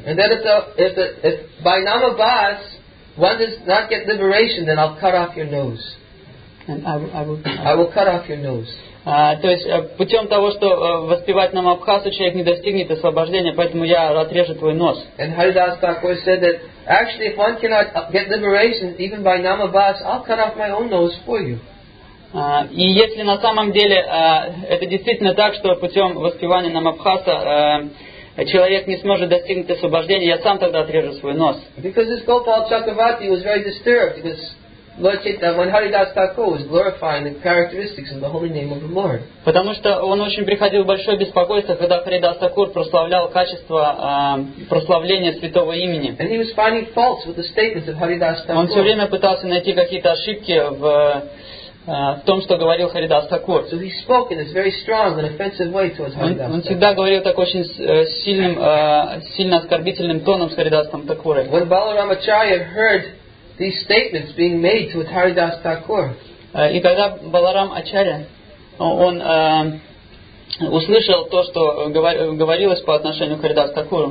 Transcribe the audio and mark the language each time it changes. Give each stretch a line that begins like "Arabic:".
English: And then if Bainama Bas one does not get liberation, then I'll cut off your nose. And I will cut off your nose.
Russian: То есть путем того, что воспевать нам Абхасу, человек не достигнет освобождения, поэтому я отрежу твой нос.
English: And Haridas Thakur said that actually, if one cannot get liberation even by Namabhas, I'll cut off my own nose for you.
Russian: И если на самом деле это действительно так, что путем воспевания Намабхаса человек не сможет достигнуть освобождения, я сам тогда отрежу свой нос.
English: Because this Gopal Chakravarti was very disturbed because Lord Chaitanya, when Haridas Thakur was glorifying the characteristics of the holy name of the Lord.
Russian: Потому что он очень приходил в большое беспокойство, когда Харидас Такур прославлял качество прославления святого имени.
English: And he was finding faults with the statements of Haridas Thakur.
Russian: Он все время пытался найти какие-то ошибки в том, что говорил Харидас Такур.
English: So he spoke in this very strong and offensive way towards Haridas.
Russian: Он всегда говорил так очень сильным, сильно оскорбительным тоном с Харидасом Такурой.
English: When Balaramacharya heard these statements being made to Haridas Thakur.
Russian: И когда Баларам Ачарья, он услышал то, что говорилось по отношению к Харидас Такуру.